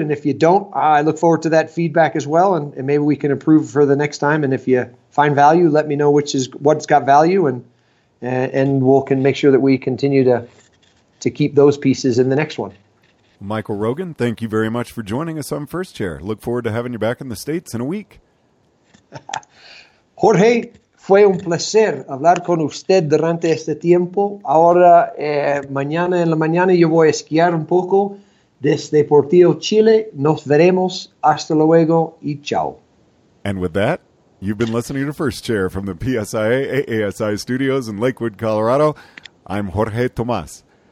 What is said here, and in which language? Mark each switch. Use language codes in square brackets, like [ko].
[en] And if you don't, I look forward to that feedback as well. And maybe we can improve for the next time. And if you find value, let me know what's got value, and we'll can make sure that we continue to keep those pieces in the next one. Michael Rogan, thank you very much for joining us on First Chair. Look forward to having you back in the States in a week. [es] Jorge, fue un placer hablar con usted durante este tiempo. Ahora, mañana en la mañana, yo voy a esquiar un poco desde Portillo, Chile. Nos veremos. Hasta luego y chao. [en] And with that, you've been listening to First Chair from the PSIA AASI Studios in Lakewood, Colorado. I'm Jorge Tomas.